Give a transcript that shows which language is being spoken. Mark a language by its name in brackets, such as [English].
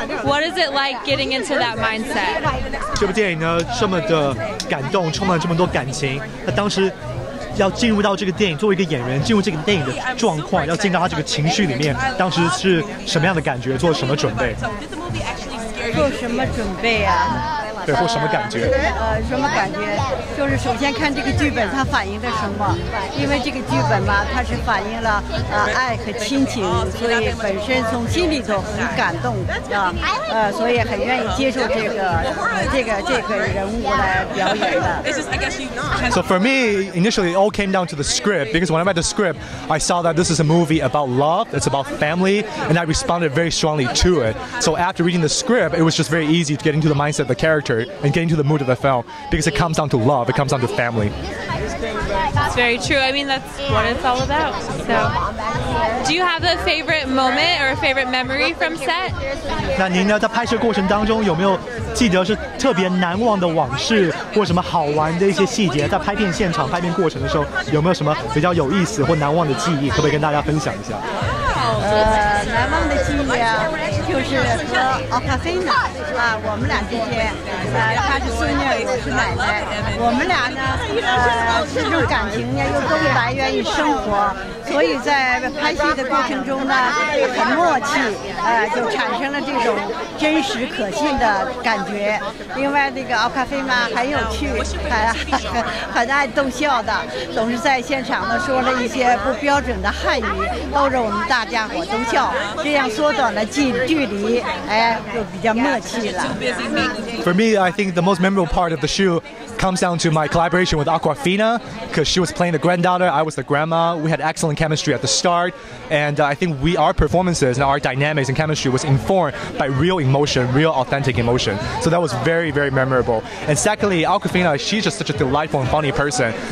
[English] What is it like getting into that mindset? [Chinese] 这部电影呢，这么的感动，充满这么多感情。那当时要进入到这个电影，作为一个演员进入这个电影的状况，要进到他这个情绪里面，当时是什么样的感觉？做什么准备？做什么准备啊？对，或什么感觉？什么感觉？就是首先看这个剧本，它反映的什么？因为这个剧本嘛，它是反映了爱和亲情，所以本身从心里头很感动啊，所以很愿意接受这个人物来表演的。 [English] So for me, initially it all came down to the script, because when I read the script, I saw that this is a movie about love, it's about family, and I responded very strongly to it. So after reading the script, it was just very easy to get into the mindset of the character and get into the mood of the film, because it comes down to love, it comes down to family. It's very true, I mean that's what it's all about. So, do you have a favorite moment or a favorite memory from set? [Chinese] 那您呢，在拍摄过程当中有没有记得是特别难忘的往事或什么好玩的一些细节，在拍片现场拍片过程的时候有没有什么比较有意思或难忘的记忆，可不可以跟大家分享一下？难忘的记忆啊，就是和奥卡菲娜啊，我们俩之间，她是孙女，我是奶奶，我们俩呢，这种感情呢又都来源于生活，所以在拍戏的过程中呢，很默契，就产生了这种真实可信的感觉。另外，那个奥卡菲娜很有趣，很爱逗笑的，总是在现场呢说了一些不标准的汉语，逗着我们大家伙都笑，这样缩短了距离，哎，就比较默契了。 [English] For me, I think the most memorable part of the show comes down to my collaboration with Awkwafina, because she was playing the granddaughter, I was the grandma. We had excellent chemistry at the start, and I think our performances and our dynamics and chemistry was informed by real emotion, real authentic emotion. So that was very, very memorable. And secondly, Awkwafina, she's just such a delightful and funny person.